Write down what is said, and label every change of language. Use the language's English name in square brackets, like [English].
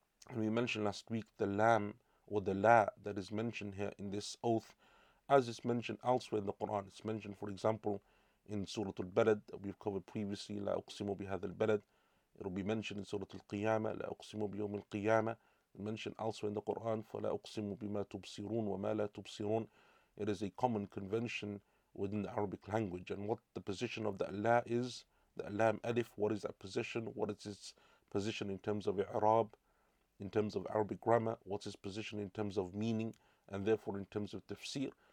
[English] And we mentioned last week the lam, or the la, that is mentioned here in this oath, as is mentioned elsewhere in the Quran. It's mentioned, for example, in Surah Al-Balad that we've covered previously, [Arabic] لَا أُقْسِمُ بِهَذَا الْبَلَدِ. [English] It will be mentioned in Surah Al-Qiyamah, [Arabic] لَا أُقْسِمُ بِيَوْمِ الْقِيَامَةِ. [English] Mentioned elsewhere in the Quran, [Arabic] فَلَا أُقْسِمُ بِمَا تُبْصِرُونَ وَمَا لَا تُبْصِرُونَ. [English] It is a common convention within the Arabic language. And what the position of the la is, the lam alif, what is that position? What is its position in terms of I'rab, in terms of Arabic grammar? What's its position in terms of meaning, and therefore in terms of tafsir?